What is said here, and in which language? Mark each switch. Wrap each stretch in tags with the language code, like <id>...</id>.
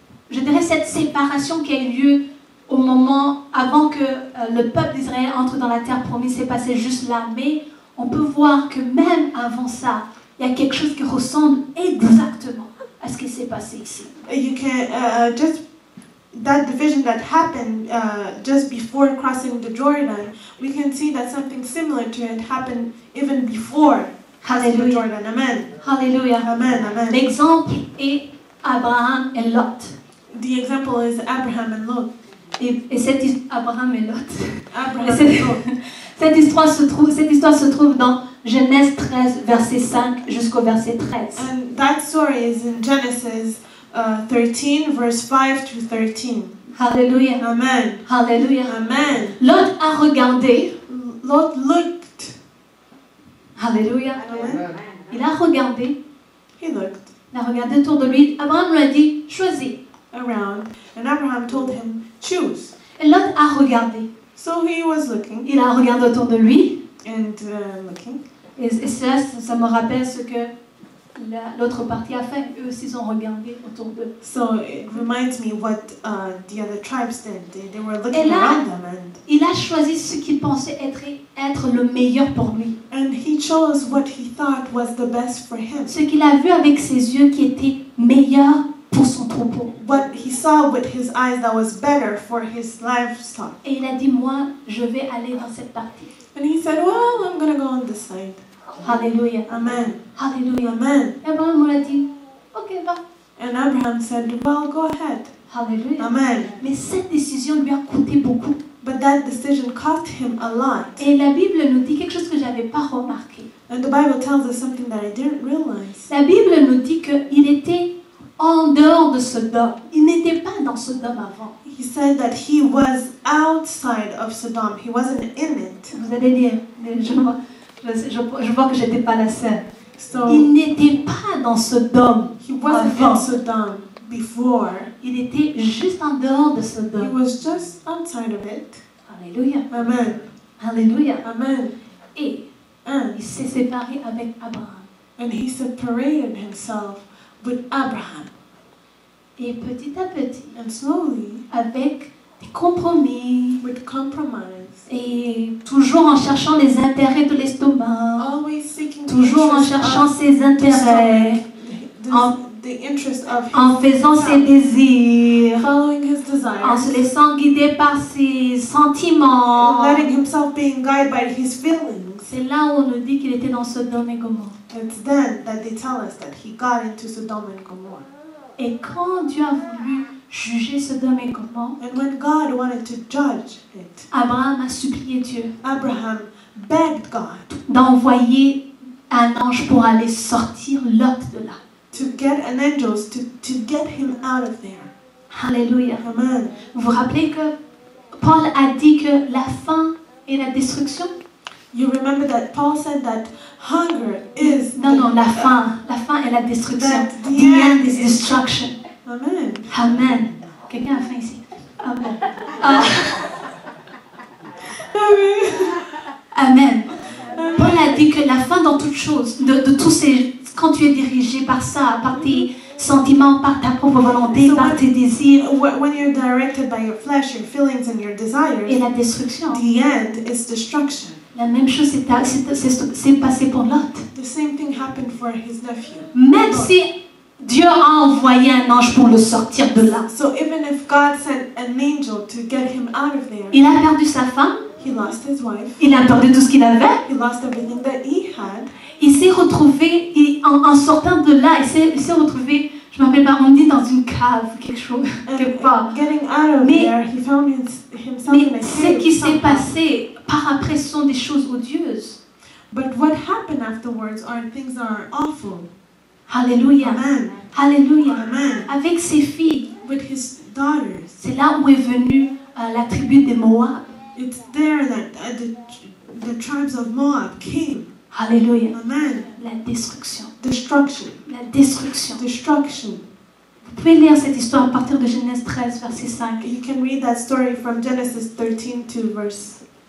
<fr>je dirais cette séparation qui a eu lieu au moment avant que le peuple d'Israël entre dans la terre promise s'est passé juste là. Mais on peut voir que même avant ça, il y a quelque chose qui ressemble exactement à ce qui s'est passé ici.</fr> <en>You can just that division that happened just before crossing the Jordan. We can see that something similar to it happened even before crossing the Jordan. Amen. Hallelujah. Amen. Amen.</en> <fr>L'exemple est Abraham et Lot.</fr> <en>The example is Abraham and Lot.</en> <fr>Et cette Abraham et Lot. Abraham et Lot. Cette histoire se trouve dans Genèse 13 verset 5 jusqu'au verset 13.</fr> <en>And that story is in Genesis 13 verse 5 to 13. Hallelujah. Amen. Hallelujah. Amen.</en> <fr>Lot a regardé.</fr> <en>Lot looked. Hallelujah. Amen.</en> <fr>Il a regardé.</fr> <en>He looked.</en> <fr>Il a regardé autour de lui. Abraham lui a dit, choisis.</fr> <en>Around, and Abraham told him, choose.</en> <fr>Et Lot a regardé.</fr> <en>So he was looking.</en> <fr>Il a regardé autour de lui.</fr> <en>And looking.</en> <fr>Et ça me rappelle ce que l'autre partie a fait. Eux aussi ont regardé autour d'eux.</fr> <en>So it reminds me what the other tribes did. They were looking around them. And</en> <fr>il a choisi ce qu'il pensait être le meilleur pour lui.</fr> <en>And he chose what he thought was the best for him.</en> <fr>Ce qu'il a vu avec ses yeux qui était meilleur pour son troupeau.</fr> <en>What he saw with his eyes that was better for his livestock.</en> <fr>Et il a dit, moi, je vais aller dans cette partie.</fr> <en>And he said, well, I'm gonna go on this side. Hallelujah. Amen. Hallelujah. Amen.</en> <fr>Abraham a dit, OK, va.</fr> <en>And Abraham said, well, go ahead. Hallelujah. Amen.</en> <fr>Mais cette décision lui a coûté beaucoup.</fr> <en>But that decision cost him a lot.</en> <fr>Et la Bible nous dit quelque chose que j'avais pas remarqué.</fr> <en>And the Bible tells us something that I didn't realize.</en> <fr>La Bible nous dit qu'il était en dehors de Sodom. Il n'était pas dans Sodom avant.</fr> <en>He said that he was outside of Sodom. He wasn't in it.</en> <fr>Vous allez dire, mais je vois que j'étais pas la seule. So, il n'était pas dans Sodom.</fr> <en>He wasn't in Sodom before.</en> <fr>Il était juste en dehors de Sodom.</fr> <en>He was just outside of it. Alléluia. Amen. Alléluia. Amen.</en> <fr>Et il s'est séparé avec Abraham.</fr> <en>And he separated himself with Abraham.</en> <fr>Et petit à petit,</fr> <en>and slowly,</en> <fr>avec des compromis,</fr> <en>with compromise,</en> <fr>et toujours en cherchant les intérêts de l'estomac,</fr> <en>always seeking</en> <fr>toujours en cherchant ses intérêts, en faisant ses désirs,</fr> <en>following his desires,</en> <fr>en se laissant guider par ses sentiments,</fr> <en>letting himself being guided by his feelings.</en> <fr>C'est là où on nous dit qu'il était dans Sodome et Gomorrhe.</fr> <en>It's then that they tell us that he got into Sodom and Gomorrah.</en> <fr>Et quand Dieu a voulu juger Sodome et Gomorrhe,</fr> <en>and when God wanted to judge it,</en> <fr>Abraham a supplié Dieu.</fr> <en>Abraham begged God</en> <fr>d'envoyer un ange pour aller sortir Lot de là.</fr> <en>To get an angel to get him out of there. Hallelujah. Amen.</en> <fr>Vous vous rappelez que Paul a dit que la faim et la destruction.</fr> <en>You remember that Paul said that hunger is</en> <fr>la faim et la destruction.</fr> <en>The end is destruction. Amen.</en> <fr>Amen. Quelqu'un a faim ici? Amen. Amen. Amen. Paul a dit que la faim dans toute chose, de tous ces, quand tu es dirigé par ça, par tes sentiments, par ta propre volonté,</fr> <en>so</en> <fr>par tes désirs.</fr> <en>When you're directed by your flesh, your feelings and your desires.</en> <fr>Et la destruction.</fr> <en>The end is destruction.</en> <fr>La même chose s'est passée pour Lot.</fr> <en>The same thing happened for his nephew.</en> <fr>Même si Dieu a envoyé un ange pour le sortir de là.</fr> <en>So even if God sent an angel to get him out of there.</en> <fr>Il a perdu sa femme.</fr> <en>He lost his wife.</en> <fr>Il a perdu tout ce qu'il avait.</fr> <en>He lost everything that he had.</en> <fr>Il s'est retrouvé en sortant de là, il s'est retrouvé, je m'appelle pas, on dit dans une cave quelque chose, quelque part.</fr> <en>Getting out of there, he found himself in a cave.</en> <fr>Mais ce qui s'est passé par après sont des choses odieuses.</fr> <en>But what happened afterwards are things that are awful. Hallelujah. Amen. Hallelujah. Amen.</en> <fr>Avec ses filles.</fr> <en>With his daughters.</en> <fr>C'est là où est venue la tribu des Moab.</fr> <en>It's there that the tribes of Moab came. Hallelujah. Amen.</en> <fr>La destruction.</fr> <en>Destruction.</en> <fr>La destruction.</fr> <en>Destruction.</en> <fr>Vous pouvez lire cette histoire à partir de Genèse 13, verset 5.</fr> <en>You can read that story from Genesis 13 to verse.</en>